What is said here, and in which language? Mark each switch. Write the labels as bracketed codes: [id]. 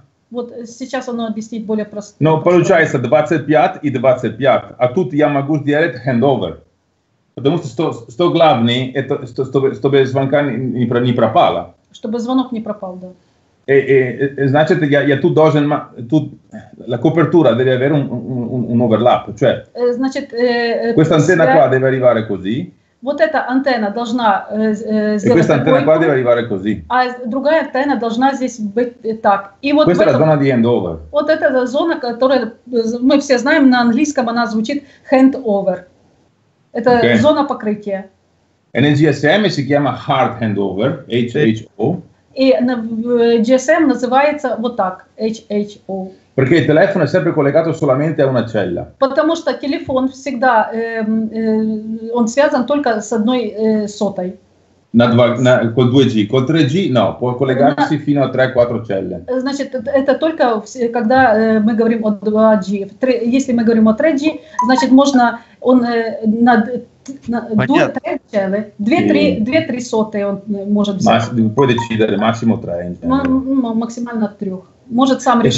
[ru] Вот сейчас оно объяснит более просто. Но получается 25 и 25, а тут я могу сделать хендовер. Потому что что главное, это чтобы звонка не пропала. Чтобы звонок не пропал, да. Значит, я тут должен, тут [it] la copertura deve avere un overlap, cioè. [ru] Значит, [it] questa antenna qua deve arrivare così. [ru] Вот эта антенна должна сделать такой, а другая антенна должна здесь быть так. И вот это зона handover. Вот эта зона, которая мы все знаем на английском, она звучит handover. Это okay. Зона покрытия. [en] And in GSM is gamma hard handover, HHO. [ru] И GSM называется вот так, HHO. [it] Perché il telefono è sempre collegato solamente a una cella. [ru] Потому что телефон всегда он связан только с одной сотой. [it] Con 2G, con 3G no, può collegarsi fino a 3-4 celle. [ru] Значит, это только когда мы говорим о 2G. Если мы говорим о 3G, значит, можно он на 2-3 celle, 2-3 сотые он может взять. [it] Puoi decidere massimo 3. [ru] Максимально 3. Может сам решить.